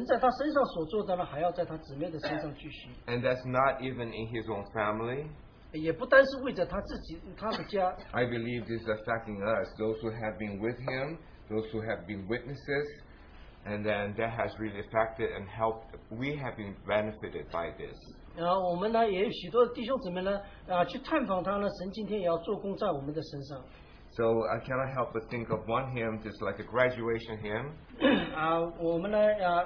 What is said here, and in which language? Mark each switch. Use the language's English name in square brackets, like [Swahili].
[Chinese] 但是呢，我们有许多的弟兄姊妹去看访他，我们就知道了啊，在他的生命呢，并没有停在这地方。神在他身上所做的呢，还要在他姊妹的身上继续。 [English] And that's not even in his own family. [Chinese] 也不单是为着他自己，他的家。 [English] I believe this is affecting us, those who have been with him, those who have been witnesses. And then that has really affected and helped. We have been benefited by this. [Chinese] 我们呢也有许多弟兄姊妹呢，去探访他呢。神今天也要做工在我们的身上。 [English] So I cannot help but think of one hymn, just like a graduation hymn.